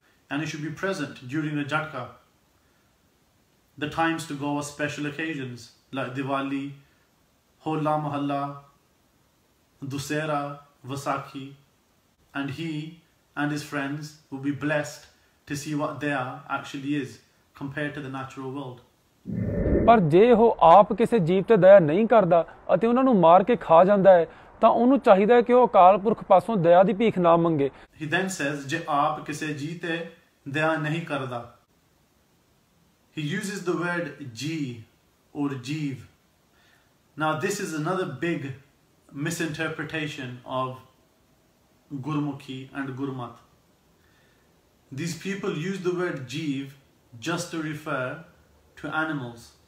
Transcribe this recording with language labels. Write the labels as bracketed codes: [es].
[en] And he should be present during a jhatka. The times to go are special occasions like Diwali, Holla Mahalla, Dussehra, Vaisakhi, and he and his friends will be blessed to see what Daya actually is compared to the natural world. [pa] ਪਰ ਜੇ ਉਹ ਆਪ ਕਿਸੇ ਜੀਵ ਤੇ ਦਇਆ ਨਹੀਂ ਕਰਦਾ ਅਤੇ ਉਹਨਾਂ ਨੂੰ ਮਾਰ ਕੇ ਖਾ ਜਾਂਦਾ ਹੈ ਤਾਂ ਉਹਨੂੰ ਚਾਹੀਦਾ ਹੈ ਕਿ ਉਹ ਅਕਾਲ ਪੁਰਖ ਪਾਸੋਂ ਦਇਆ ਦੀ ਭੀਖ ਨਾ ਮੰਗੇ। [en] He then says, [pa] ਜੇ ਆਪ ਕਿਸੇ ਜੀ ਤੇ ਦਇਆ ਨਹੀਂ ਕਰਦਾ। [en] He uses the word ji or jeev. Now this is another big misinterpretation of Gurmukhi and Gurmat. These people use the word jeev just to refer to animals.